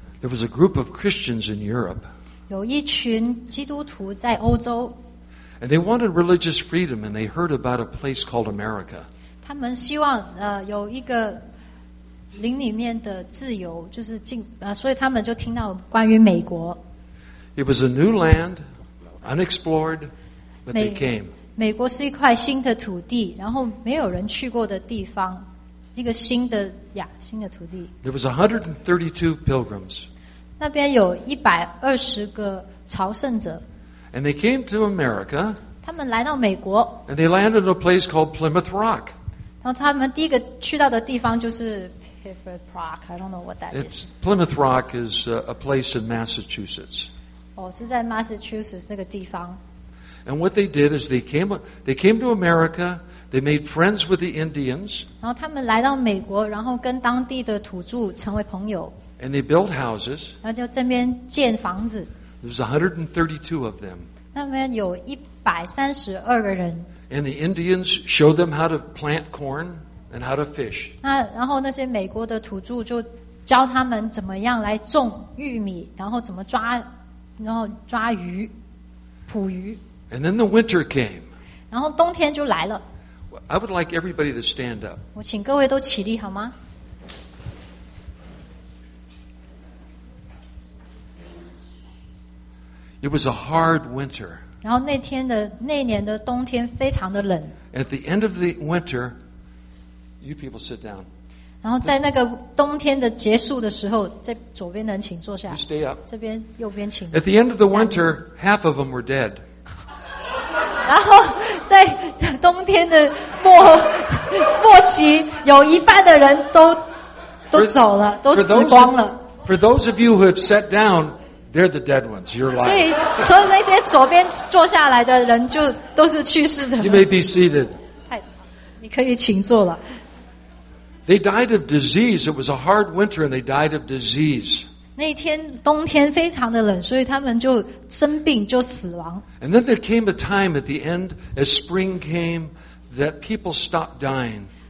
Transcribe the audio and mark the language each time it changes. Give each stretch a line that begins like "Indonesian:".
English: there was a group of Christians in Europe.
Chinese: 有一群基督徒在欧洲,
English: and they wanted religious freedom, and they heard about a place called America.
Chinese: 他们希望, 有一个灵里面的自由, 就是进, 所以他们就听到关于美国。
English: It was a new land, unexplored, but they came.
Chinese: 美国是一块新的土地, 然后没有人去过的地方。一个新的土地。
English: There was 132 pilgrims.
Chinese: 那边有120个朝圣者。
English: And they came to America.
Chinese: 他们来到美国。
English: And they landed in a place called Plymouth Rock.
Chinese: 然后他们第一个去到的地方就是Plymouth Rock.
English: I don't know what that is. Plymouth Rock is a place in Massachusetts.
Chinese: 哦，是在Massachusetts那个地方。
English: And what they did is they came to America. They made friends with the Indians.
Chinese: 然后他们来到美国, 然后跟当地的土著成为朋友,
English: and they built houses.
Chinese: 然后就这边建房子,
English: there was 132 of them.
Chinese: 那边有132个人,
English: and the Indians showed them how to plant corn and how to fish.
Chinese: 然后那些美国的土著就教他们怎么样来种玉米, 然后怎么抓鱼, 捕鱼。
English: And then the winter came.
Chinese: 然后冬天就来了。
English: I would like everybody to stand up.
Chinese: 我请各位都起立, 好吗?
English: It was a hard winter.
Chinese: 然后那天的那年的冬天非常的冷。
English: At the end of the winter, you people sit down.
Chinese: 然后在那个冬天的结束的时候, 这左边的人请坐下。
English: You stay up.
Chinese: 这边右边请坐。
English: At the end of the winter, half of them were dead.
Chinese: 然后在冬天的末期，有一半的人都走了，都死光了。
English: For those of you who have sat down, they're the dead ones. You're lying.
Chinese: 所以那些左边坐下来的人就都是去世的。
English: You may be seated.
Chinese: 你可以请坐了。They
English: died of disease. It was a hard winter, and they died of disease.
Chinese: 那天冬天非常的冷，所以他们就生病就死亡。And
English: then there came a time at the end, as spring came, that people stopped dying.